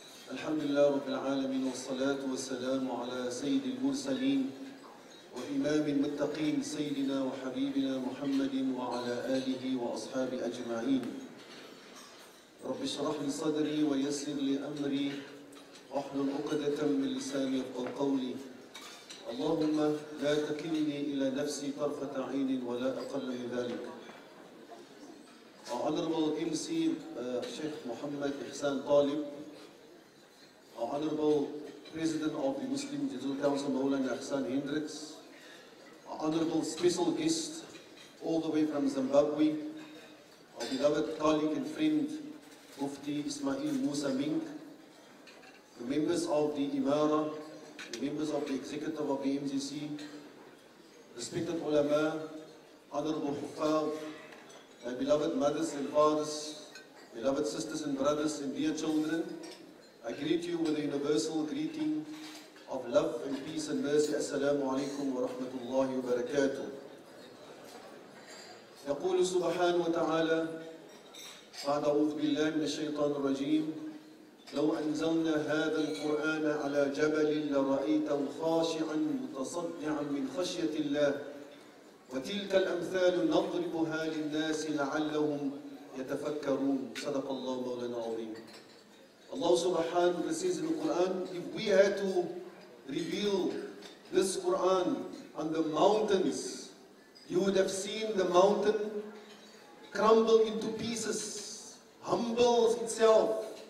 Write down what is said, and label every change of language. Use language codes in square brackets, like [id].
[ar] الحمد لله رب العالمين، والصلاة والسلام على سيد المرسلين وإمام المتقين سيدنا وحبيبنا محمد وعلى آله وأصحابه أجمعين. رب اشرح لي صدري ويسر لي أمري واحلل عقدة من لساني يفقهوا قولي. اللهم لا تكلني إلى نفسي طرفة عين ولا أقل من ذلك. [en] Honorable MC Sheikh Muhammad Ihsan Talib, Honorable President of the Muslim Digital Council Maulana Ihsan Hendricks, Honorable Special Guest all the way from Zimbabwe, our beloved colleague and friend Mufti Ismail Musa Mink, the members of the Imara, the members of the Executive of the MGC, respected ulama, Honorable Huffaz, my beloved mothers and fathers, beloved sisters and brothers and dear children, I greet you with a universal greeting of love and peace and mercy. [ar] Assalamu alaikum wa rahmatullahi wa barakatuh. يقول سبحانه وتعالى بعد أعوذ بالله من الشيطان الرجيم لو أنزلنا هذا القرآن على جبل لرأيته خاشعا متصدعا من خشية الله وتلك الأمثال نضربها للناس لعلهم يتفكرون. صدق الله مولانا العظيم. [en] Allah subhanahu wa ta'ala says in the Quran, if we had to reveal this Quran on the mountains, you would have seen the mountain crumble into pieces, humble itself.